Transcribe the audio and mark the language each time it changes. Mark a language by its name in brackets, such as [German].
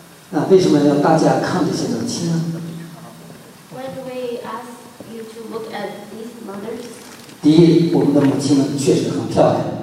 [Chinese] 那为什么要大家看这些母亲呢？ [English] Why do we ask you to look at these mothers? [Chinese] 第一，我们的母亲确实很漂亮。